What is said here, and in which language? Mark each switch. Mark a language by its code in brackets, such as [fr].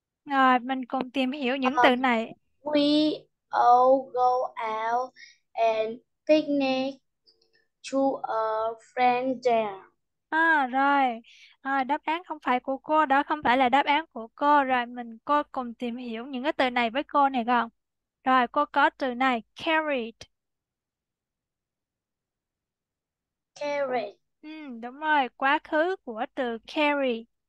[vi] Rồi, mình cùng tìm hiểu những từ này. [en] We all go out and picnic to a friend there. [vi] À, rồi. À, đáp án không phải của cô, đó không phải là đáp án của cô. Rồi, mình cô cùng tìm hiểu những cái từ này với cô này không? Rồi, cô có từ này, carried. [en] Carrot. [vi] Ừ, đúng rồi, quá khứ của từ carry.